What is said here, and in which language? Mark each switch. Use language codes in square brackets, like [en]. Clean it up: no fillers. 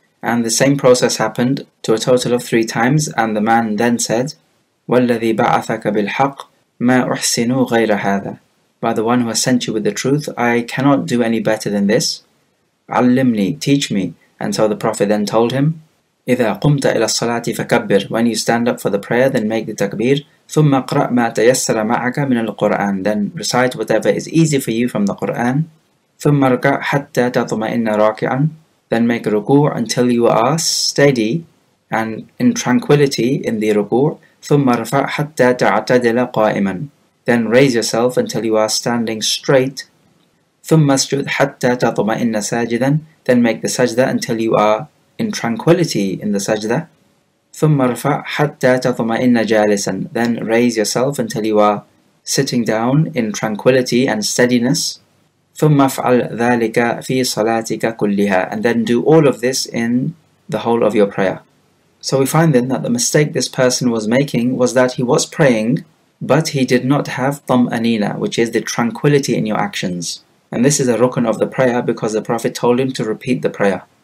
[en] And the same process happened to a total of 3 times, and the man then said, [ar] وَالَّذِي بَعَثَكَ بِالْحَقِّ مَا أُحْسِنُوا غَيْرَ هَذَا [en] By the one who has sent you with the truth, I cannot do any better than this. [ar] عَلِّمْنِي [en] Teach me. And so the Prophet then told him, [ar] إذا قمت إلى الصلاة فكبر. [en] When you stand up for the prayer, then make the takbir. [ar] ثم اقرأ ما تيسر معك من القرآن. [en] Then recite whatever is easy for you from the Quran. [ar] ثم اركع حتى تطمئن راكعا. [en] Then make a ruku' until you are steady and in tranquility in the ruku'. [ar] ثم ارفع حتى تعتدل قائما. [en] Then raise yourself until you are standing straight. [ar] ثم اسجد حتى تطمئن ساجدا. [en] Then make the sajda until you are in tranquility in the sajda. [ar] ثم ارفع حتى تطمئن جالسا. [en] Then raise yourself until you are sitting down in tranquility and steadiness. [ar] ثم افعل ذلك في صلاتك كلها. [en] And then do all of this in the whole of your prayer. So we find then that the mistake this person was making was that he was praying, but he did not have طمأنينة, which is the tranquility in your actions. And this is a rukun of the prayer because the Prophet told him to repeat the prayer.